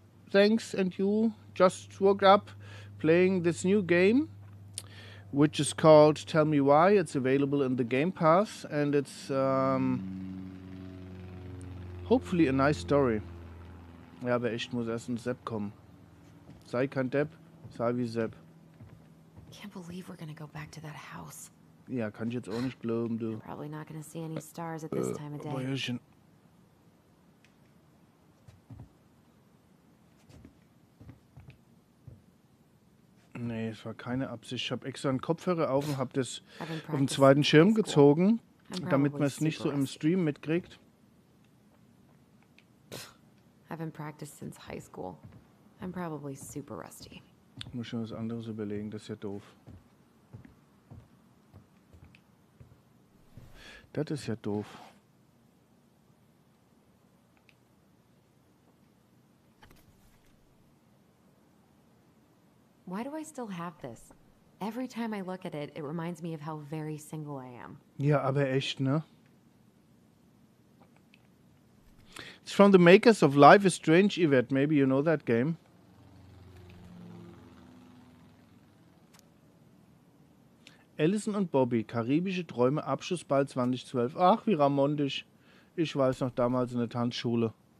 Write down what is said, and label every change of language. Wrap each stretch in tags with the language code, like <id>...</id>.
<en>Thanks, and you just woke up playing this new game. which is called Tell Me Why. It's available in the Game Pass, and it's hopefully a nice story.</en> <de>Ja, aber echt, muss erst ein Sepp kommen. Sei kein Depp, sei wie Sepp.</de> <en>Can't believe we're gonna go back to that house.</en> <de>Ja, kann ich jetzt auch nicht glauben, du.</de> <en>Probably not gonna see any stars at this time of day.</en> <de>Bäuerchen. Nee, es war keine Absicht. Ich habe extra einen Kopfhörer auf und habe das auf den zweiten Schirm gezogen, damit man es nicht so im Stream mitkriegt.</de> <en>I've been practiced since high school. I'm probably super rusty.</en> <de>Muss schon was anderes überlegen, das ist ja doof. Das ist ja doof.</de> <en>Why do I still have this? Every time I look at it, it reminds me of how very single I am.</en> <de>Ja, aber echt, ne?</de> <en>It's from the makers of Life is Strange, Yvette. Maybe you know that game.</en> <de>Allison und Bobby, karibische Träume, Abschlussball 2012. Ach, wie romantisch. Ich weiß noch, damals in der Tanzschule.</de>